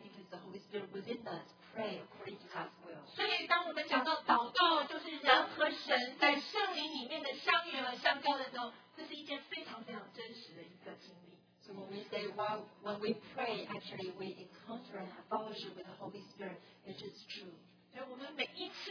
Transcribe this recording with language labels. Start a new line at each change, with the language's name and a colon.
English: Because the Holy Spirit within us pray according to God's will.
Chinese: 所以当我们讲到祷告，就是人和神在圣灵里面的相遇和相交的时候，这是一件非常非常真实的一个经历。
English: So when we say, well, when we pray, actually we encounter and have fellowship with the Holy Spirit, it is true.